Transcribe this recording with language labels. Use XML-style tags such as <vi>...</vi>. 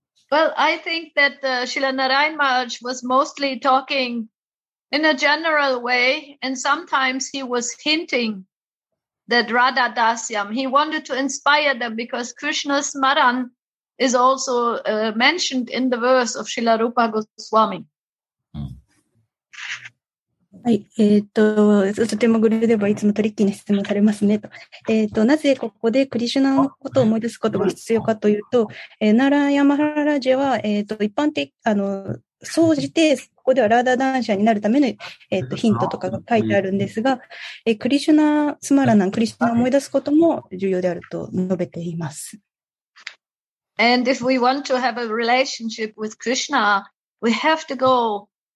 <en>Well, I think that Srila Narayan Maharaj was mostly talking in a general way, and sometimes he was hinting that Radha Dasyam. He wanted to inspire them because Krishna Smaran is also mentioned in the verse of Srila Rupa Goswami.</en> <ja>はい、とてもグルデバはいつもトリッキーな質問されますねと。なぜここでクリシュナのことを思い出すことが必要かというと、ナラヤマハラジェは、一般的、総じて、ここではラーダダンシャーになるための、ヒントとかが書いてあるんですが、クリシュナスマラナン、クリシュナを思い出すことも重要であると述べています。</ja> <en>And if we want to have a relationship with Krishna, we have to go.</en>